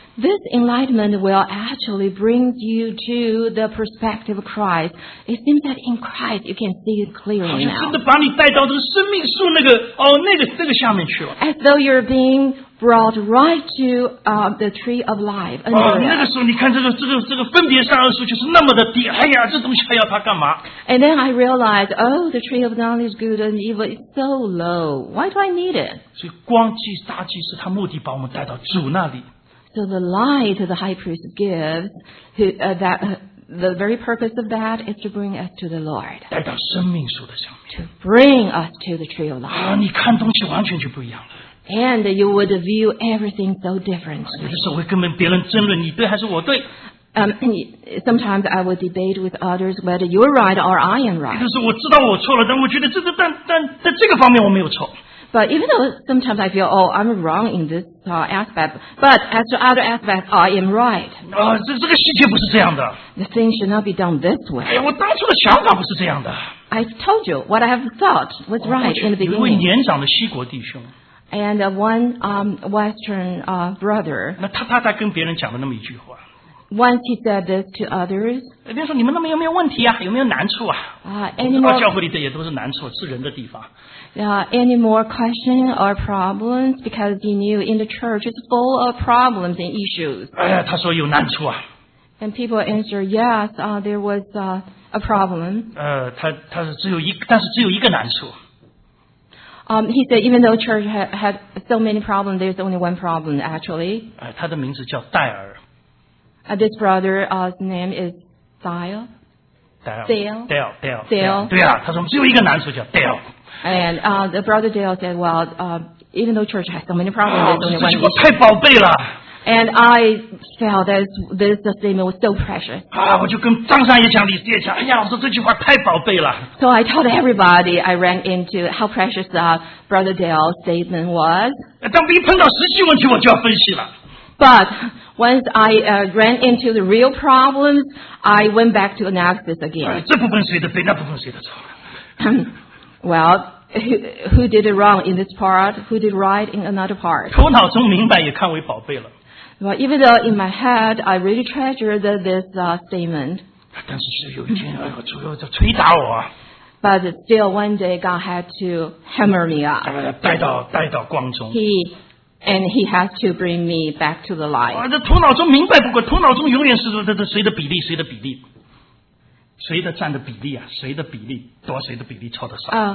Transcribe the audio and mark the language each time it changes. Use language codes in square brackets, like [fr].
[en] This enlightenment will actually bring you to the perspective of Christ. It seems that in Christ you can see it clearly now. [zh] 好像真的把你带到这个生命树那个下面去了。 [en] As though you're being brought right to the tree of life. [zh] 那个时候你看这个分别善恶树就是那么的低，哎呀，这东西还要它干嘛？ [en] And then I realized, oh, the tree of knowledge, good and evil is so low. Why do I need it? [zh] 所以光祭大祭司他目的把我们带到主那里。 [en] So the light the high priest gives, the very purpose of that is to bring us to the Lord. [zh] 带到生命树的上面。 [en] To bring us to the tree of life. [zh] 你看东西完全就不一样了。 [en] And you would view everything so differently. [zh] 有的时候会跟别人争论，你对还是我对。 [en] Sometimes I will debate with others whether you're right or I am right. [zh] 但是我知道我错了，但我觉得这个，但这个方面我没有错。 [en] But even though sometimes I feel, oh, I'm wrong in this aspect, but as to other aspects, I am right. [zh] 这个细节不是这样的。 [en] The thing should not be done this way. [zh] 我当初的想法不是这样的。 [en] I told you what I have thought was right in the beginning. [zh] 有一位年长的西国弟兄。 [en] And one Western brother. [zh] 那他跟别人讲了那么一句话。 [en] Once he said this to others, [zh] 别说你们那么有没有问题啊，有没有难处啊？ [en] anymore, [zh] 教会里的也都是难处，是人的地方。 [en] Any more questions or problems? Because he knew in the church it's full of problems and issues. [zh] 他说有难处啊。 [en] And people answer, yes, there was a problem. [zh] 但是只有一个难处。 [en] He said, even though church had so many problems, there's only one problem, actually. [zh] 他的名字叫戴尔。 [en] This brother's name is Dale. [zh] Dale. 他说只有一个难处叫 Dale. [en] And the brother Dale said, well, even though church has so many problems, there's only one problem. [zh] 这句话太宝贝了。 [en] And I felt that this statement was so precious. [zh] 我就跟张三也讲，李四也讲，哎呀，我说这句话太宝贝了。 [en] So I told everybody I ran into how precious Brother Dale's statement was. [zh] 当一碰到实际问题，我就要分析了。 [en] But once I ran into the real problems, I went back to analysis again. [zh] 这部分谁的对，那部分谁的错。 [en] Well, who did it wrong in this part? Who did right in another part? [zh] 头脑中明白也看为宝贝了。 [en] Well, even though in my head I really treasure this statement, [zh] 但是是有一天，哎呦，主要在捶打我。 [en] But still, one day God had to hammer me up. [zh] 带到光中。 [en] He has to bring me back to the light. [zh] 这头脑中明白不过，头脑中永远是这谁的比例，谁的比例，谁的占的比例啊？谁的比例多，谁的比例错的少？